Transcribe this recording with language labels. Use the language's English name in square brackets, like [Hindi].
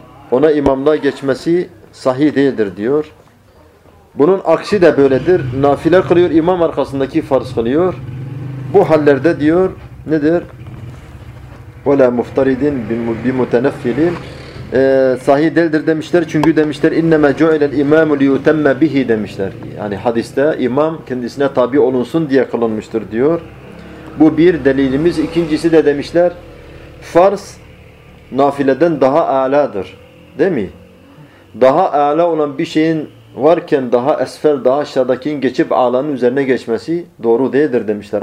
[Turkish] Ona imamlığa geçmesi sahih değildir diyor. Bunun aksi de böyledir. Nafile kılıyor, imam arkasındaki farz kılıyor. Bu hallerde diyor nedir? [Arabic] وَلَا مُفْتَرِدٍ بِمُتَنَفِّلٍ. [Turkish] Sahih değildir demişler. Çünkü demişler [Arabic] اِنَّمَا جُعِلَ الْاِمَامُ لِيُتَمَّ بِهِ [Turkish] demişler. Yani hadiste imam kendisine tabi olunsun diye kılınmıştır diyor. Bu bir delilimiz. İkincisi de demişler farz nafileden daha âlâdır. Değil mi? Daha âlâ olan bir şeyin varken daha esfel, daha aşağıdakinin geçip âlanın üzerine geçmesi doğru değildir demişler.